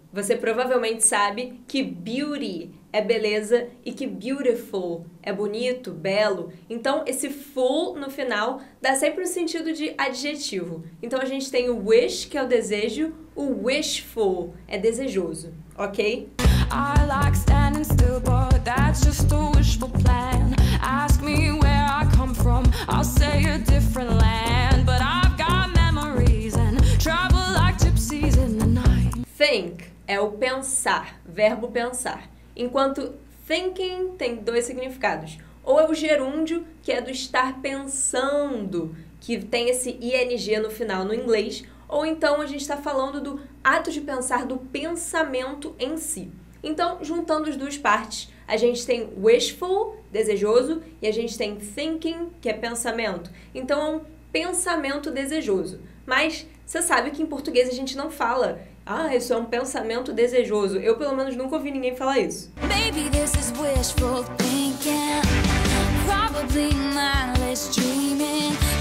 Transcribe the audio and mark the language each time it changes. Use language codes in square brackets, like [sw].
[pt] Você provavelmente sabe que beauty é beleza e que beautiful é bonito, belo. Então, esse full no final dá sempre o um sentido de adjetivo. Então, a gente tem o wish, que é o desejo, o wishful é desejoso, ok? [en] I like standing still, but that's just a wishful plan. Ask me where I come from, I'll say a different land. But I've got memories and travel like gypsies in the night. [pt] Think é o pensar, verbo pensar. Enquanto thinking tem dois significados. Ou é o gerúndio, que é do estar pensando, que tem esse ing no final no inglês. Ou então a gente está falando do ato de pensar, do pensamento em si. Então, juntando as duas partes, a gente tem wishful, desejoso, e a gente tem thinking, que é pensamento. Então, é um pensamento desejoso. Mas você sabe que em português a gente não fala, ah, isso é um pensamento desejoso. Eu, pelo menos, nunca ouvi ninguém falar isso. [en] Maybe this is wishful thinking, probably mindless dreaming.